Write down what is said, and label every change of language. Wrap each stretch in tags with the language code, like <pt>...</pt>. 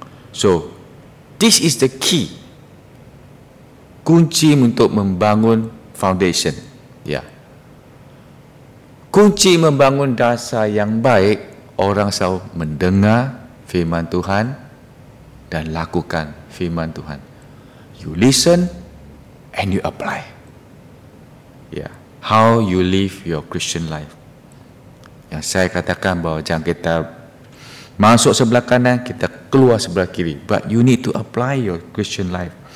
<en>So, this is the key.</en> <id>Kunci untuk membangun foundation.</id> <en>Yeah.</en> <id>Kunci membangun dasar yang baik, orang selalu mendengar firman Tuhan dan lakukan firman Tuhan.</id> <en>You listen and you apply. Yeah. How you live your Christian life.</en> <id>Yang saya katakan bahwa jangan kita masuk sebelah kanan, kita keluar sebelah kiri.</id> <en>But you need to apply your Christian life.</en>